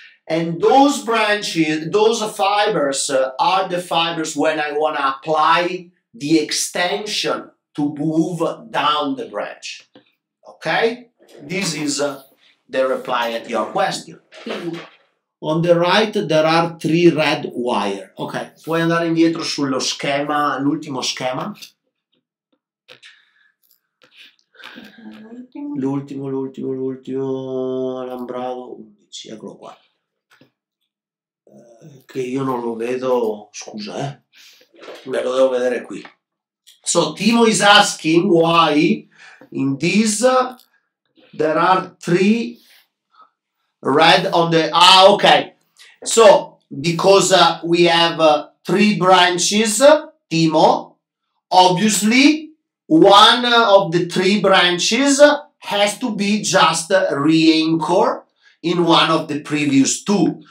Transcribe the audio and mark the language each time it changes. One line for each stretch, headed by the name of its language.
English: And those branches, those fibers are the fibers when I want to apply the extension to move down the branch. Okay? This is the reply at your question. On the right, there are three red wires.
Italian: Okay, puoi andare indietro sullo schema, l'ultimo schema. L'ultimo alambrato 11, eccolo qua. Che io non lo vedo, scusa, me lo devo vedere qui.
English: So Timo is asking why in this there are three red on the okay. So because we have three branches, Timo, obviously one of the three branches has to be just re-anchor in one of the previous two.